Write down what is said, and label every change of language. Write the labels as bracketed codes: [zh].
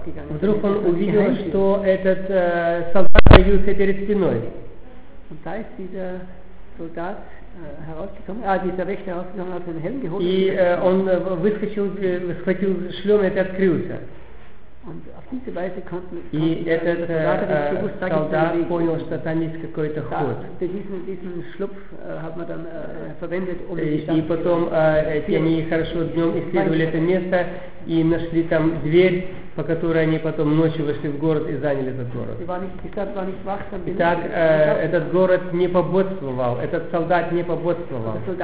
[ru] Вдруг он увидел, что этот солдат появился перед стеной. [de] Und da ist dieser Soldat herausgekommen, dieser Wächter herausgekommen, hat seinen Helm geholt. [ru] И он выскочил, схватил шлем и это открылся. [de] Und auf diese Weise konnten [ru] Soldat понял, что там есть какой-то ход. [de] Diesen Schlupf hat man dann verwendet, um [ru] И потом они хорошо днем исследовали это место и нашли там дверь, по которой они потом ночью вошли в город и заняли этот город. Итак, этот город не пободствовал, этот солдат не пободствовал.